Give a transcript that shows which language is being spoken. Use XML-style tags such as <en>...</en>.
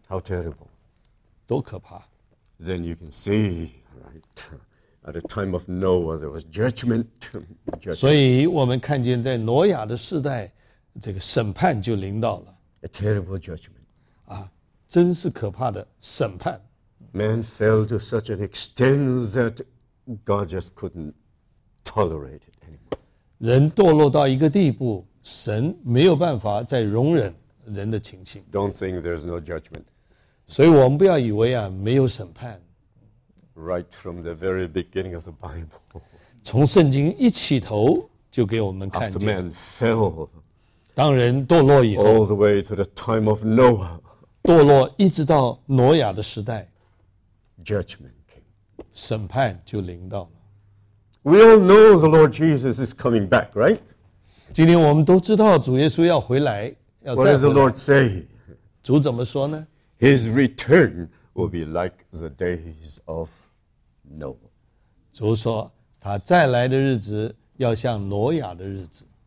<en>How terrible.</en> <zh>多可怕。</zh> <en>Then you can see, right, at the time of Noah, there was judgment.</en> <zh>所以我们看见在挪亚的世代，这个审判就临到了。</zh> <en>A terrible judgment.</en> <zh>啊，真是可怕的审判。</zh> <en>Man fell to such an extent that God just couldn't tolerate it anymore.</en> <zh>人堕落到一个地步，神没有办法再容忍人的情形。</zh> <en>Don't think there's no judgment.</en> <zh>所以我们不要以为啊没有审判。</zh> <en>Right from the very beginning of the Bible.</en> <zh>从圣经一起头就给我们看见。</zh> <en>After man fell.</en> <zh>当人堕落以后。</zh> <en>All the way to the time of Noah.</en> <zh>堕落一直到挪亚的时代。</zh> <en>Judgment came.</en> <zh>审判就临到了。</zh> <en>We all know the Lord Jesus is coming back, right?</en> <zh>今天我们都知道主耶稣要回来。</zh> <en>What does the Lord say?</en> <zh>主怎么说呢？</zh> <en>His return will be like the days of Noah.</en> <zh>主说他再来的日子要像挪亚的日子。</zh>